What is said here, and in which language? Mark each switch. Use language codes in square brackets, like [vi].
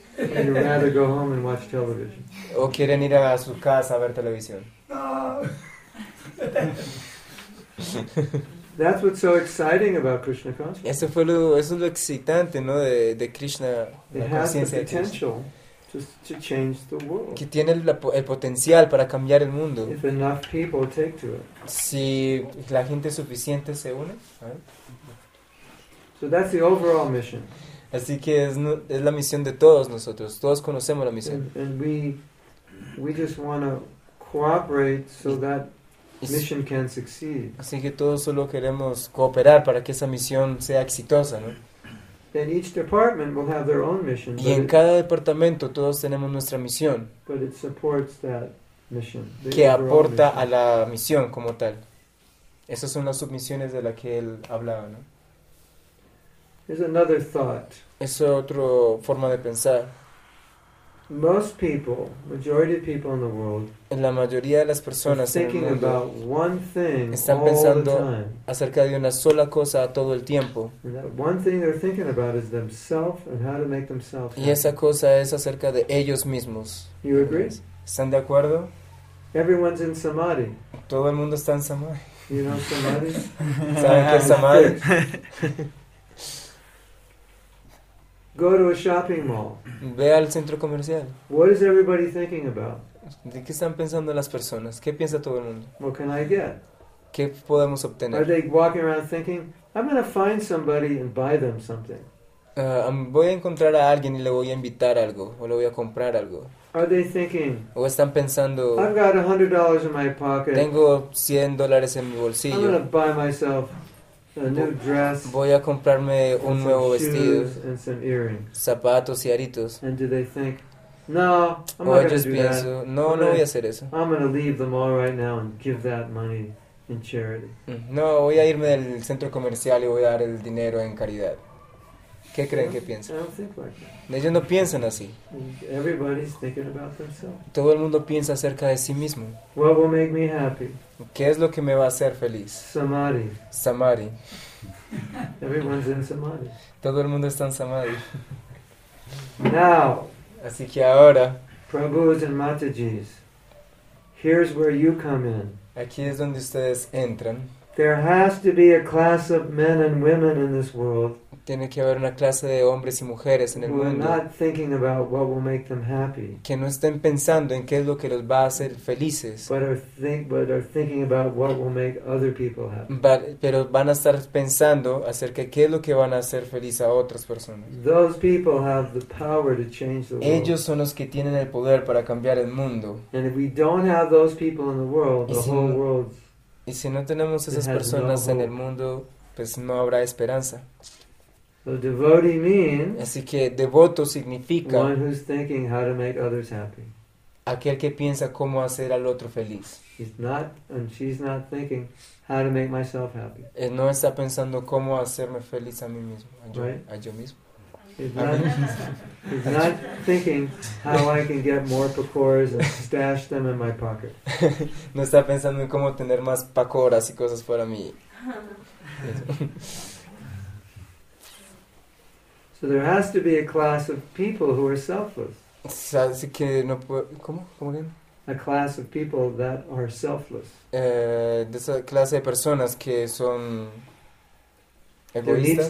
[en] Would you rather go home and watch television? [es] ¿O quieren ir a su casa a ver televisión? [en] No. That's what's so exciting about Krishna consciousness. [es] Eso es lo excitante, ¿no? De Krishna, [en] it [es] la conciencia. [en] It has the potential. To change the world. [es] Que tiene el potencial para cambiar el mundo. [en] If enough people take to it. [es] Si la gente suficiente se une. [en] So that's the overall mission. [es] Así que es la misión de todos nosotros. Todos conocemos la misión. [en] And we just want to cooperate so that mission can succeed. [es] Así que todos solo queremos cooperar para que esa misión sea exitosa, ¿no? [en] And each department will have their own mission. [es] Y en cada departamento todos tenemos nuestra misión. [en] But it supports that mission. [es] Que aporta a la misión como tal. Esas son las submisiones de las que él hablaba, ¿no? [en] Here's another thought. [es] Es otra forma de pensar. [en] Most people, majority of people in the world, [es] en la mayoría de las personas en el mundo [en] about one thing [es] están pensando acerca de una sola cosa todo el tiempo. Y esa cosa es acerca de ellos mismos. [en] You agree? [es] ¿Están de acuerdo? [en] Everyone's in samadhi. [es] Todo el mundo está en samadhi. [en] You know samadhi? [es] ¿Saben qué es samadhi? [en] Go to a shopping mall. [es] Ve al centro comercial. [en] What is everybody thinking about? [es] ¿De qué están pensando las personas? ¿Qué piensa todo el mundo? [en] What can I get? [es] ¿Qué podemos obtener? [en] Are they walking around thinking, I'm going to find somebody and buy them something? [es] Voy a encontrar a alguien y le voy a invitar algo, o le voy a comprar algo. [en] Are they thinking, [es] o están pensando, [en] I've got $100 in my pocket. [es] Tengo $100 en mi bolsillo. [en] I'm going to buy myself a new dress. [es] Voy a comprarme un nuevo vestido, [en] and some earrings. [es] Zapatos y aritos. [en] And do they think, no, I'm not going to do that. [es] O ellos pienso, no, [en] I'm [es] no [en] gonna, [es] voy a hacer eso. [en] I'm going to leave the mall right now and give that money in charity. [es] No, voy a irme del centro comercial y voy a dar el dinero en caridad. ¿Qué creen que piensan? [en] Like [es] ellos no piensan así. [en] Everybody's thinking about themselves. [es] Todo el mundo piensa acerca de sí mismo. [en] What will make me happy? [es] ¿Qué es lo que me va a hacer feliz? [en] Samadhi. [es] Samadhi. [en] Everyone's in samadhi. [es] Todo el mundo está en samadhi. [en] Now, [es] así que ahora, [en] Prabhus and Matajis, here's where you come in. [es] Aquí es donde ustedes entran. [en] There has to be a class of men and women in this world. [es] Tiene que haber una clase de hombres y mujeres en el mundo. [en] Who are not thinking about what will make them happy. [es] Que no estén pensando en qué es lo que los va a hacer felices. [en] But are thinking about what will make other people happy. [es] Pero van a estar pensando acerca de qué es lo que van a hacer feliz a otras personas. [en] Those people have the power to change the world. [es] Ellos son los que tienen el poder para cambiar el mundo. [en] And if we don't have those people in the world, the whole world. [es] Y si no tenemos esas personas en el mundo, pues no habrá esperanza. [en] So devotee means, [es] así que devoto significa [en] one who's thinking how to make others happy. [es] Aquel que piensa cómo hacer al otro feliz. [en] He's not, and she's not thinking how to make myself happy. [es] Él no está pensando cómo hacerme feliz a mí mismo, [en] right? [es] A yo mismo. [en] He's not thinking how I can get more pakoras and stash them in my pocket. [es] No está pensando en cómo tener más pakoras y cosas para mí. [en] So there has to be a class of people who are selfless. [es] Así que no puedo, ¿cómo bien? A class of people that are selfless. De esa clase de personas que son egoístas.